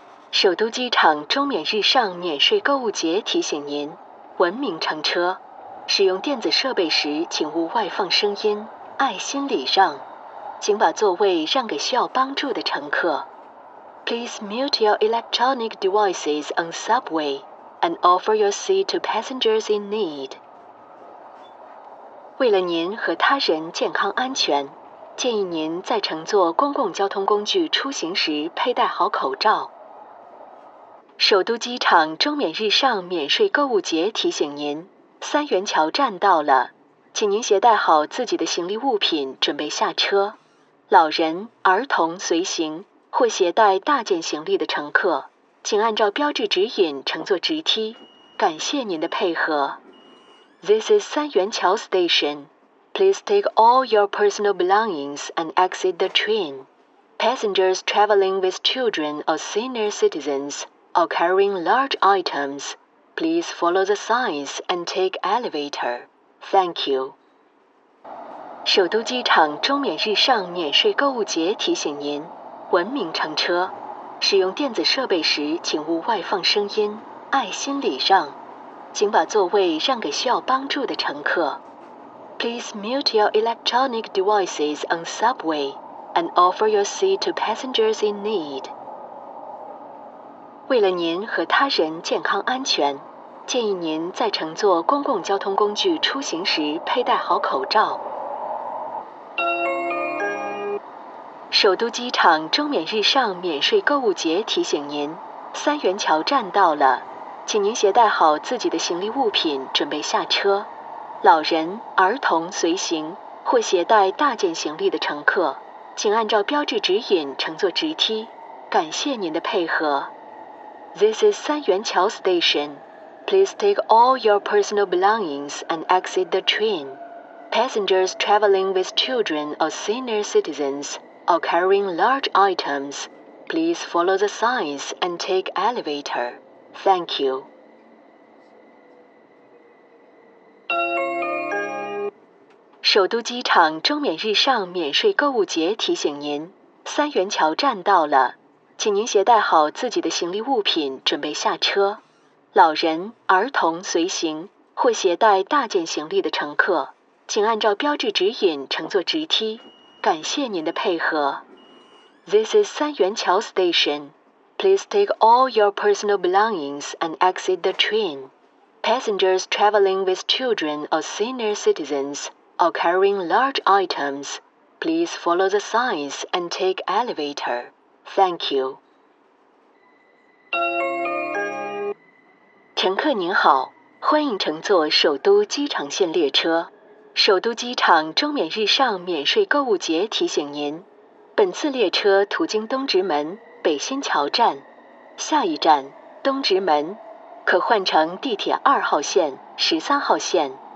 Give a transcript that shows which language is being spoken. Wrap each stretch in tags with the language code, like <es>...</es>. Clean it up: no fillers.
<zh>首都机场中免日上免税购物节提醒您，文明乘车。使用电子设备时，请勿外放声音，爱心礼让，请把座位让给需要帮助的乘客。</zh> <en>Please mute your electronic devices on subway and offer your seat to passengers in need.</en> <zh>为了您和他人健康安全，建议您在乘坐公共交通工具出行时佩戴好口罩。首都机场中免日上免税购物节提醒您，三元桥站到了，请您携带好自己的行李物品，准备下车。老人、儿童随行或携带大件行李的乘客，请按照标志指引乘坐直梯。感谢您的配合。</zh> <en>This is 三元桥 station. Please take all your personal belongings and exit the train. Passengers traveling with children or senior citizens or carrying large items, please follow the signs and take elevator. Thank you.</en> <zh>首都机场中免日上免税购物节提醒您，文明乘车，使用电子设备时请勿外放声音，爱心礼让，请把座位让给需要帮助的乘客。</zh> <en>Please mute your electronic devices on subway and offer your seat to passengers in need。</en> <zh>为了您和他人健康安全，建议您在乘坐公共交通工具出行时佩戴好口罩。首都机场中免日上免税购物节提醒您，三元桥站到了，请您携带好自己的行李物品准备下车。老人、儿童随行或携带大件行李的乘客，请按照标志指引乘坐直梯。感谢您的配合。</zh> <en>This is 三元桥 station. Please take all your personal belongings and exit the train. Passengers traveling with children or senior citizens or carrying large items, please follow the signs and take elevator. Thank you.</en> <zh>首都机场中免日上免税购物节提醒您，三元桥站到了，请您携带好自己的行李物品准备下车。老人、儿童随行或携带大件行李的乘客，请按照标志指引乘坐直梯。感谢您的配合。</zh> <en>This is 三元桥 station. Please take all your personal belongings and exit the train. Passengers traveling with children or senior citizens or carrying large items, please follow the signs and take elevator. Thank you.</en> <zh>乘客您好，欢迎乘坐首都机场线列车。首都机场中免日上免税购物节提醒您，本次列车途经东直门、北新桥站，下一站东直门，可换乘地铁二号线、十三号线。</zh>